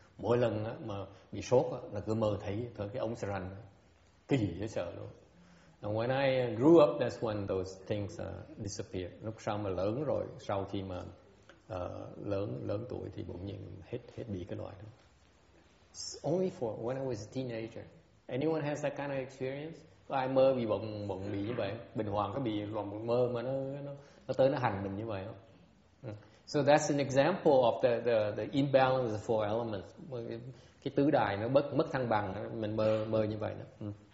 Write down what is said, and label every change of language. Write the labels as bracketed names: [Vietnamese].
[Vietnamese] Mỗi lần mà bị sốt là cứ mơ thấy cái ống sarin, cái gì cũng sợ luôn. [English] And when I grew up, that's when those things disappeared. [Vietnamese] Lúc sau mà lớn rồi, sau khi mà lớn tuổi thì bỗng nhiên hết bị cái loại đó. [English] Only for when I was a teenager. Anyone has that kind of experience? [Vietnamese] Ai mơ bị bụng bị như vậy? Bình Hoàng có bị lòng mơ mà nó tới nó hành mình như vậy không? [English] So that's an example of the imbalance of four elements. [Vietnamese] Cái tứ đại nó mất thăng bằng, mình mơ như vậy đó.